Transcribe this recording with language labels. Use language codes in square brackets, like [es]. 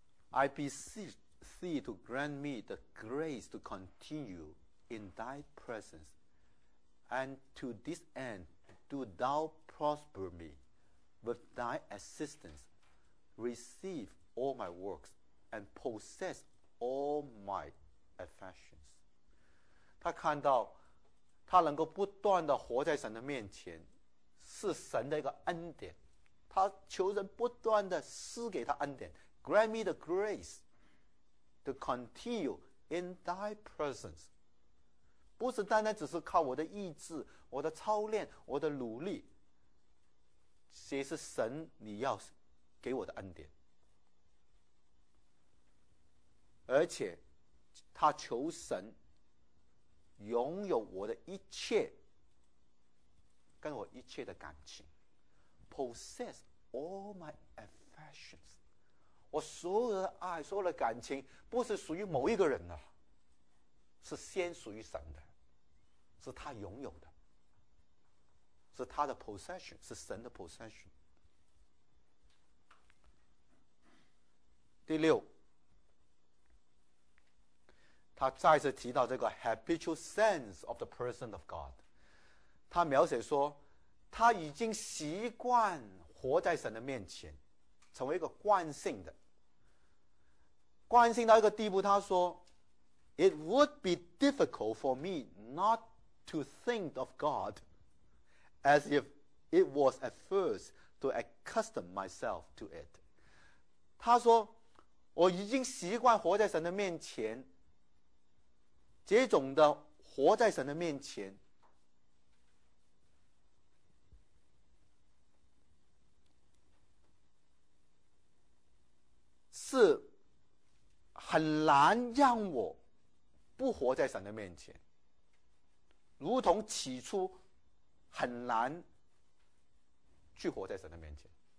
[en] I beseech thee to grant me the grace to continue in thy presence, and to this end do thou prosper me with thy assistance, receive all my works and possess all my affections. [zh] 他看到他能够不断地活在神的面前是神的一个恩典，他求神不断地施给他恩典。 [en] Grant me the grace to continue in thy presence， [zh] 不是单单只是靠我的意志、我的操练、我的努力，也是神你要给我的恩典。而且他求神拥有我的一切跟我一切的感情， [en] possess all my affections， [zh] 我所有的爱、所有的感情不是属于某一个人的，是先属于神的，是他拥有的，是他的 possession， 是神的 possession。第六，他再次提到这个 [en] habitual sense of the person of God， [zh] 他描写说他已经习惯活在神的面前，成为一个惯性的，惯性到一个地步，他说 [en] It would be difficult for me not to think of God as if it was at first to accustom myself to it。 [zh] 他说我已经习惯活在神的面前，这种的活在神的面前是很难让我不活在神的面前，如同起初很难去活在神的面前。